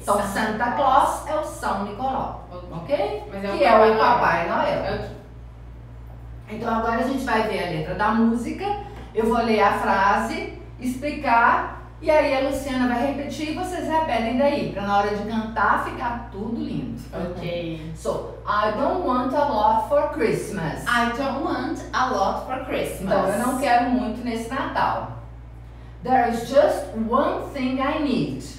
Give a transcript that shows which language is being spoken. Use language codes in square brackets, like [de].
[pt] Então, Santa Claus é o São Nicolau, ok? Mas que é o Papai Noel. [en] Okay. [pt] Então, agora a gente vai ver a letra da música, eu vou ler a frase, explicar e aí a Luciana vai repetir e vocês repetem daí, para na hora de cantar ficar tudo lindo. [en] Ok. So, I don't want a lot for Christmas. I don't want a lot for Christmas. [pt] Então, eu não quero muito nesse Natal. [en] There is just one thing I need.